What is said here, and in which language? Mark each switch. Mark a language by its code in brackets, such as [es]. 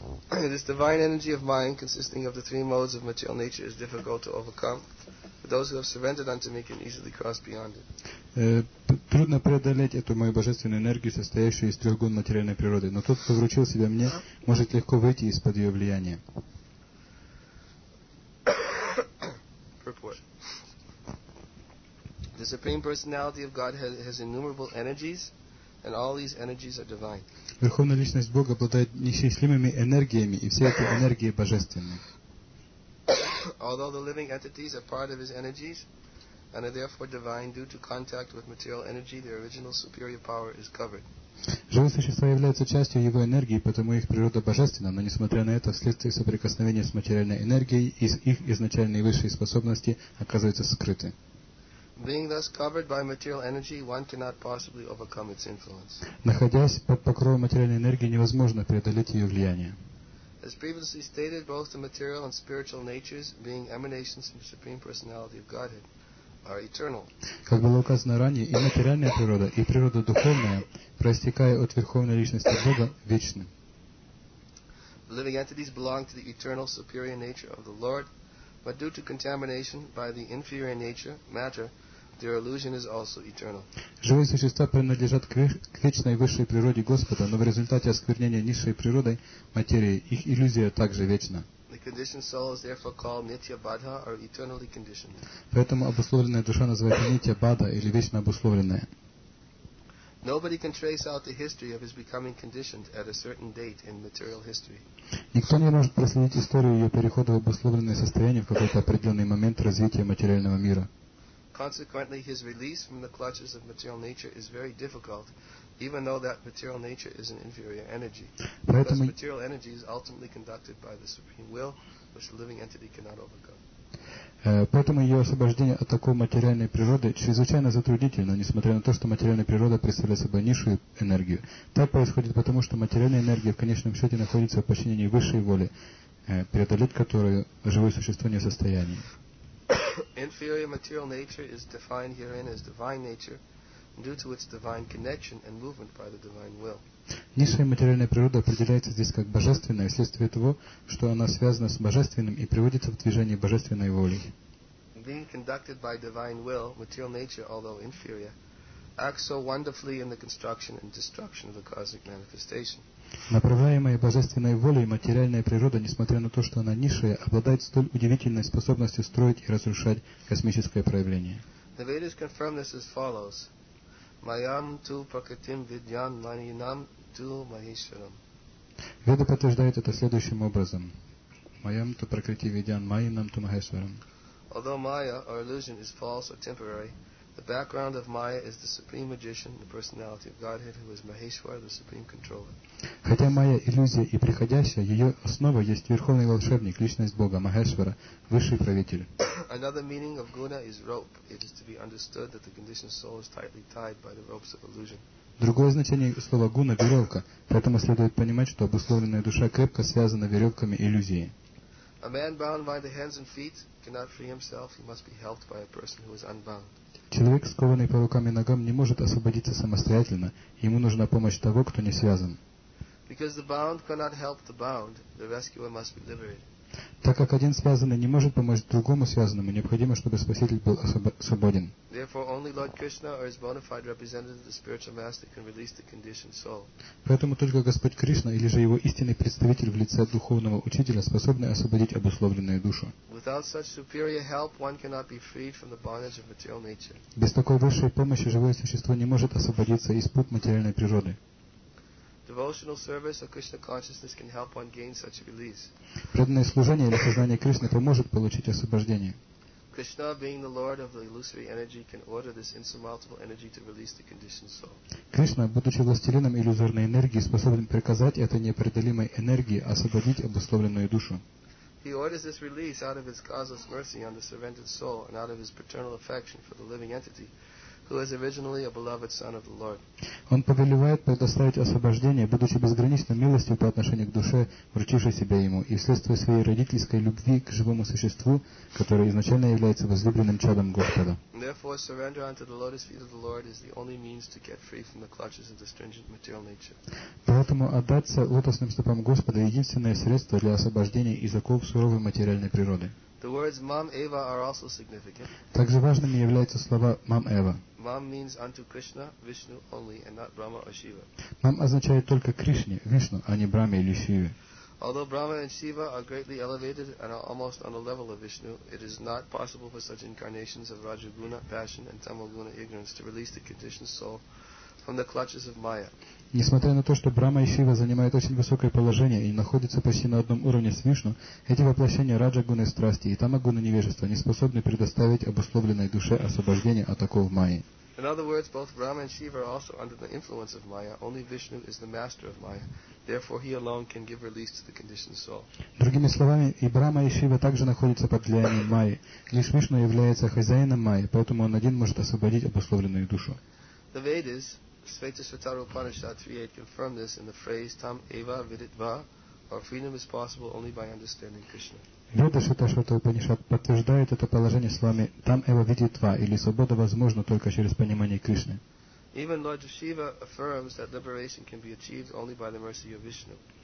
[en] This divine energy of mind, consisting of the three modes of material nature, is difficult to overcome. But those who have surrendered unto me can easily cross beyond it. [ru] Трудно преодолеть эту мою божественную энергию, состоящую из трех гун материальной природы. Но тот, кто вручил себя мне, может легко выйти из-под ее влияния. [en] Purport. The Supreme Personality of Godhead has innumerable energies, and all these energies are divine. [ru] Верховная личность Бога обладает неисчислимыми энергиями, и все эти энергии божественны. [en] Although the living entities are part of his energies, and are therefore divine due to contact with material energy, their original superior power is covered. [ru] Живые существа являются частью его энергии, потому их природа божественна, но несмотря на это, вследствие соприкосновения с материальной энергией, их изначальные высшие способности оказываются скрыты. [en] Being thus covered by material energy, one cannot possibly overcome its influence. [ru] Находясь под покровом материальной энергии, невозможно преодолеть ее влияние. [en] As previously stated, both the material and spiritual natures, being emanations from the Supreme Personality of Godhead, are eternal. [ru] Как было указано ранее, и материальная природа, и природа духовная, проистекая от Верховной Личности Бога, вечны. [en] Living entities belong to the eternal superior nature of the Lord, but due to contamination by the inferior nature, matter, their illusion is also eternal. [ru] Живые существа принадлежат к вечной высшей природе Господа, но в результате осквернения низшей природой материи их иллюзия также вечна. [en] The conditioned soul is therefore called Nitya Badha, or eternally conditioned. [ru] Поэтому обусловленная душа называется Нитья Бадха или вечно обусловленная. [en] Nobody can trace out the history of his becoming conditioned at a certain date in material history. [ru] Никто не может проследить историю ее перехода в обусловленное состояние в какой-то определенный момент развития материального мира. [en] Consequently, his release from the clutches of material nature is very difficult, even though that material nature is an inferior energy. [ru] Поэтому [en] because material energy is ultimately conducted by the supreme will, which the living entity cannot overcome. [ru] Поэтому ее освобождение от такой материальной природы чрезвычайно затруднительно, несмотря на то, что материальная природа представляет собой низшую энергию. Так происходит потому, что материальная энергия в конечном счете находится в подчинении высшей воли, преодолеть которую живое существо не в состоянии. [en] Inferior material nature is defined herein as divine nature due to its divine connection and movement by the divine will. [ru] Низшая материальная природа определяется здесь как божественная вследствие того, что она связана с божественным и приводится в движение божественной воли. [en] Being conducted by divine will, material nature, although inferior, acts so wonderfully in the construction and destruction of the cosmic manifestation. [ru] Направляемая божественной волей материальная природа, несмотря на то, что она низшая, обладает столь удивительной способностью строить и разрушать космическое проявление. [en] The Vedas confirm this as follows. [sa] Mayam tu prakritim vidyan maninam tu maheshwaram. [ru] Веды подтверждают это следующим образом. [sa] Mayam tu prakriti vidyan maninam tu maheshwaram. [en] Although Maya, or illusion, is false or temporary, the background of Maya is the supreme magician, the personality of Godhead, who is Maheshwar, the supreme controller. [ru] Хотя Майя иллюзия и приходящая, ее основа есть верховный волшебник, личность Бога Махешвара, высший правитель. [en] Another meaning of guna is rope. It is to be understood that the conditioned soul is tightly tied by the ropes of illusion. [ru] Другое значение слова гуна — веревка, поэтому следует понимать, что обусловленная душа крепко связана веревками иллюзии. [en] A man bound by the hands and feet cannot free himself. He must be helped by a person who is unbound. [ru] Человек, скованный по рукам и ногам, не может освободиться самостоятельно. Ему нужна помощь того, кто не связан. [en] Because the bound cannot help the bound, the rescuer must be liberated. [ru] Так как один связанный не может помочь другому связанному, необходимо, чтобы спаситель был свободен. [en] Therefore, only Lord Krishna or his bona fide representative, the spiritual master, can release the conditioned soul. [ru] Поэтому только Господь Кришна или же его истинный представитель в лице духовного учителя способны освободить обусловленную душу. [en] Without such superior help, one cannot be freed from the bondage of material nature. [ru] Без такой высшей помощи живое существо не может освободиться из пут материальной природы. [en] Devotional service or Krishna consciousness can help one gain such a release. [ru] Преданное служение или сознание Кришны поможет получить освобождение. [en] Krishna, being the Lord of the illusory energy, can order this insurmountable energy to release the conditioned soul. [ru] Кришна, будучи властелином иллюзорной энергии, способен приказать этой непреодолимой энергии освободить обусловленную душу. [en] He orders this release out of his causeless mercy on the surrendered soul and out of his paternal affection for the living entity, who is originally a beloved son of the Lord. [ru] Он повелевает предоставить освобождение, будучи безграничной милостью по отношению к душе, вручившей себя ему, и вследствие своей родительской любви к живому существу, которое изначально является возлюбленным чадом Господа. [en] Therefore, surrender unto the lotus feet of the Lord is the only means to get free from the clutches of the stringent material nature. [ru] Поэтому отдаться лотосным стопам Господа – единственное средство для освобождения из оков суровой материальной природы. [en] The words Mam Eva are also significant. [ru] Также важными являются слова Mam Eva. [en] Mam means unto Krishna, Vishnu only, and not Brahma or Shiva. [ru] Mam означает только Кришне, Вишну, а не Брахме или Шиве. [en] Although Brahma and Shiva are greatly elevated and are almost on the level of Vishnu, it is not possible for such incarnations of Rajaguna, passion, and Tamaguna ignorance to release the conditioned soul from the clutches of Maya. [ru] Несмотря на то, что Брахма и Шива занимают очень высокое положение и находятся почти на одном уровне с Вишну, эти воплощения раджа-гуны страсти и тама-гуны невежества не способны предоставить обусловленной душе освобождение от оков Майи. [en] In other words, both Brahma and Shiva are also under the influence of Maya. Only Vishnu is the master of Maya. Therefore, he alone can give release to the conditioned soul. [ru] Другими словами, и Брахма, и Шива также находятся под влиянием Майи. Лишь Вишну является хозяином Майи, поэтому он один может освободить обусловленную душу. [en] The Vedas, Sveta Svatara Upanishad 3.8, confirm this in the phrase Tam Eva Viditva, or freedom is possible only by understanding Krishna. [ru] Веда Шваташвата Упанишад подтверждает это положение словами «Там Эва Видитва» или «Свобода возможна только через понимание Кришны». [en] Even Lord Shiva affirms that liberation can be achieved only by the mercy of Vishnu.